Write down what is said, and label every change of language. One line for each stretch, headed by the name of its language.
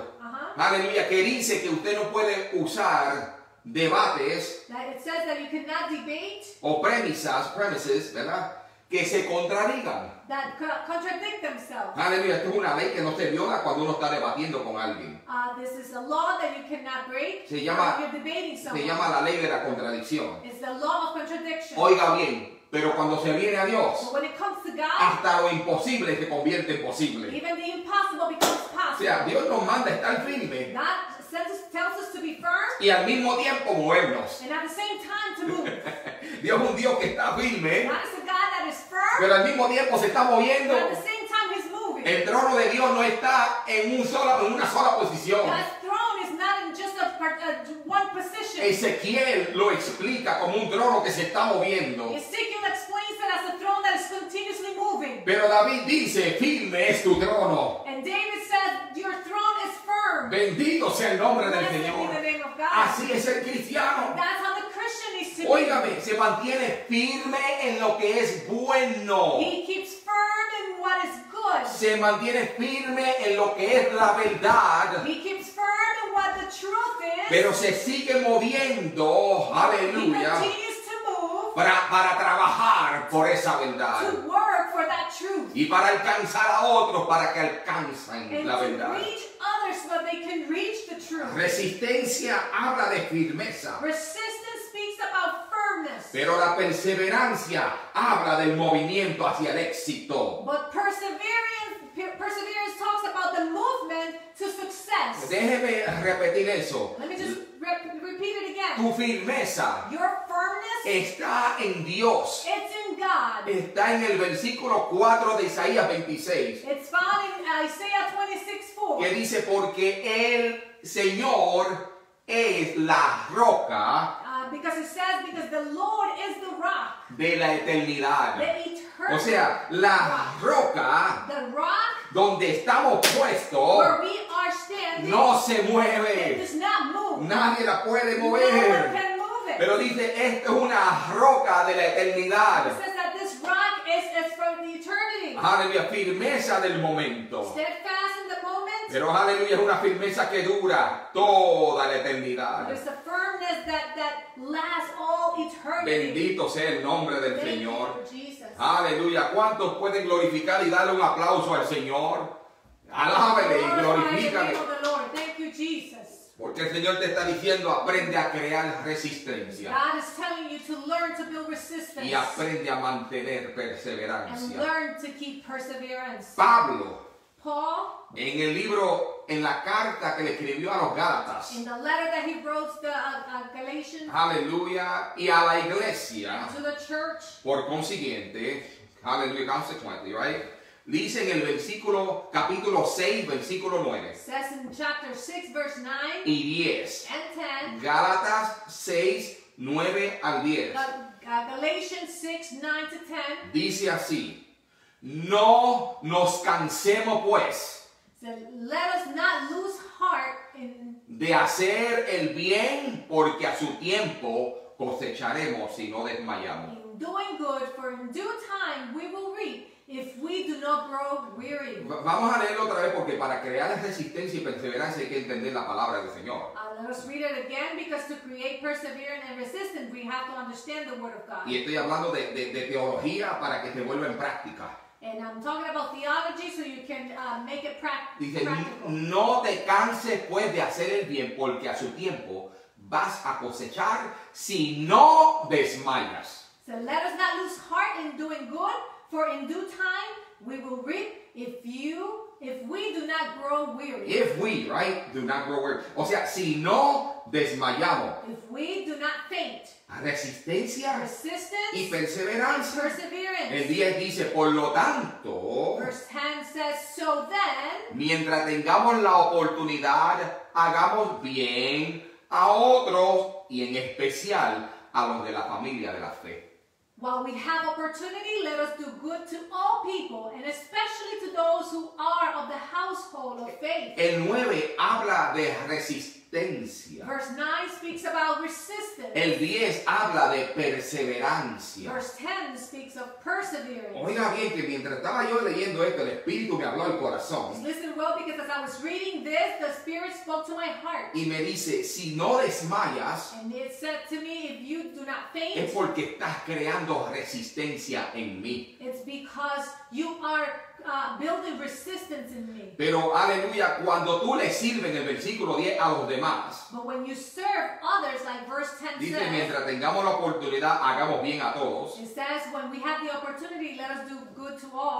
Spanish: Uh-huh. Aleluya, que dice que usted no puede usar debates.
English: That it says that you cannot debate.
Spanish: O premises, ¿verdad? Que se contradigan.
English: That contradict themselves.
Spanish: Aleluya, esto es una ley que no se viola cuando uno está debatiendo con alguien.
English: This is a law that you cannot break.
Spanish: Se llama,
English: when you're debating someone.
Spanish: Se llama la ley de la contradicción.
English: It's the law of contradiction.
Spanish: Oiga bien, pero cuando se viene a Dios,
English: but when it comes to God,
Spanish: hasta lo imposible se convierte en posible.
English: Even the impossible becomes possible.
Spanish: O sea, Dios nos manda a estar firme.
English: God tells us to be firm.
Spanish: Y al mismo tiempo movernos.
English: And at the same time to move.
Spanish: Dios es un Dios que está firme.
English: God is a God that is firm.
Spanish: Pero al mismo tiempo se está moviendo.
English: At the same time he's moving.
Spanish: El trono de Dios no está en una sola posición.
English: God's throne is not in just one position.
Spanish: Ezequiel lo explica como un trono que se está moviendo.
English: Ezekiel explains it as a throne that is continuously moving.
Spanish: Pero David dice, firme es tu trono.
English: And David said, your throne is firm.
Spanish: Bendito sea el nombre del Señor. Así es el cristiano.
English: That's how the Christian needs to
Spanish: be. Óigame, se mantiene firme en lo que es bueno.
English: He keeps firm. firm in what is good.
Spanish: Se mantiene firme en lo que es la verdad.
English: He keeps firm in what the truth is.
Spanish: Pero se sigue moviendo, aleluya, para trabajar por esa verdad.
English: To work for that truth.
Spanish: Y para alcanzar a otros para que alcancen la verdad.
English: Others, but they can reach the truth.
Spanish: Resistencia habla de firmeza.
English: Resistance speaks about firmness.
Spanish: Pero la perseverancia habla del movimiento hacia el éxito.
English: But perseverance talks about the movement to success.
Spanish: Déjeme repetir eso.
English: Repeat it again.
Spanish: Tu firmeza,
English: your firmness,
Spanish: está en Dios.
English: It's in God.
Spanish: Está en el versículo 4 de Isaías 26.
English: It's found in Isaiah 26:4.
Spanish: Que dice, porque el Señor es la roca.
English: Because it says, because the Lord is the rock.
Spanish: De la eternidad.
English: The eternal.
Spanish: O sea, la roca.
English: The rock.
Spanish: Donde estamos puestos.
English: Where we are standing.
Spanish: No se mueve.
English: It does not move.
Spanish: Nadie la puede mover.
English: No one can move it.
Spanish: Pero dice, esto es una roca de la eternidad.
English: It says that this rock is from the eternity.
Spanish: Aleluya, firmeza del momento.
English: Steadfast in the moment.
Spanish: Pero aleluya, es una firmeza que dura toda la eternidad.
English: There's a firmness that lasts all eternity.
Spanish: Bendito sea el nombre del
English: Thank
Spanish: Señor.
English: Jesus.
Spanish: Aleluya, ¿cuántos pueden glorificar y darle un aplauso al Señor? Alábele y glorifícale.
English: Thank you, Jesus.
Spanish: Porque el Señor te está diciendo, aprende a crear resistencia.
English: God is telling you to learn to build resistance.
Spanish: Y aprende a mantener perseverancia.
English: And learn to keep perseverance.
Spanish: Pablo.
English: Paul.
Spanish: En el libro, en la carta que le escribió a los Gálatas.
English: In the letter that he wrote to Galatians.
Spanish: Aleluya. Y a la iglesia.
English: And to the church.
Spanish: Por consiguiente. Aleluya.
English: Consequently, right?
Spanish: Dice en el versículo, capítulo 6, versículo 9.
English: Says in chapter 6, verse 9.
Spanish: Y 10.
English: And 10.
Spanish: Gálatas 6, 9 al 10.
English: Galatians 6, 9 to 10.
Spanish: Dice así. No nos cansemos pues.
English: So let us not lose heart in.
Spanish: De hacer el bien, porque a su tiempo cosecharemos si no desmayamos.
English: In doing good, for in due time we will reap. If we do not grow weary.
Spanish: Vamos a leerlo otra vez porque para crear resistencia y perseverancia hay que entender la palabra del Señor.
English: Let us read it again because to create perseverance and resistance we have to understand the word of God.
Spanish: Y estoy hablando de teología para que se vuelva en práctica.
English: And I'm talking about theology so you can make it practical.
Spanish: Dice, no te canses pues de hacer el bien porque a su tiempo vas a cosechar si no desmayas.
English: So let us not lose heart in doing good. For in due time, we will reap if we do not grow weary. If we, right? Do not grow weary.
Spanish: O sea, si no desmayamos.
English: If we do not faint.
Spanish: Resistencia.
English: Resistance.
Spanish: Y perseverancia.
English: Perseverance.
Spanish: El 10 dice, por lo tanto.
English: Verse 10 says, so then.
Spanish: Mientras tengamos la oportunidad, hagamos bien a otros y en especial a los de la familia de la fe.
English: While we have opportunity, let us do good to all people, and especially to those who are of the household of faith.
Spanish: El 9 habla de resistencia.
English: Verse 9 speaks about resistance.
Spanish: El 10 habla de perseverancia.
English: Verse 10 speaks of perseverance.
Spanish: Oiga bien, que mientras estaba yo leyendo esto, el Espíritu me habló al corazón.
English: Listen well, because as I was reading this, the Spirit spoke to my heart.
Spanish: Y me dice, si no desmayas,
English: and it said to me, if you do not faint,
Spanish: es porque estás creando resistencia en mí.
English: It's because you are building resistance in me.
Spanish: Pero aleluya, cuando tú le sirves en el versículo 10 a los demás.
English: But when you serve others, like verse 10
Spanish: Dice, mientras tengamos la oportunidad, hagamos bien a todos.
English: It says, when we have the opportunity, let us do good to all.